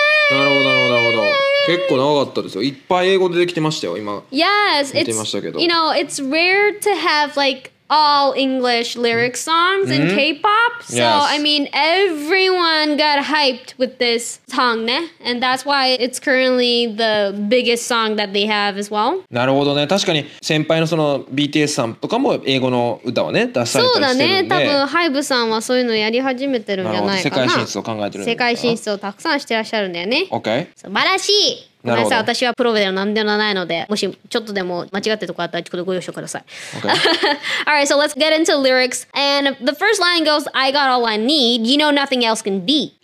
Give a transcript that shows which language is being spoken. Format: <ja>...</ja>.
<ja>なるほど、なるほど、なるほど。結構長かったですよ。いっぱい英語でできてましたよ、今。</ja> <en>Yes, it's, you know, it's rare to have like all English lyric songs in K-pop. So, I mean, everyone got hyped with this song, ne? And that's why it's currently the biggest song that they have as well.</en> <ja>なるほどね。確かに先輩のその BTS さんとかも英語の歌はね、出されたりしてるんで。そうだね。多分 HYBE さんはそういうのやり始めてるんじゃないかな。世界進出を考えてるんだ。世界進出をたくさんしてらっしゃるんだよね。</ja> <en>Okay.</en> <ja>素晴らしい。ごめんなさい、私はプロでは何でもないので、もしちょっとでも間違ってとこあったらちょっとご容赦ください。</ja> <en>Okay. All right, so let's get into lyrics. And the first line goes, I got all I need, you know nothing else can be.</en>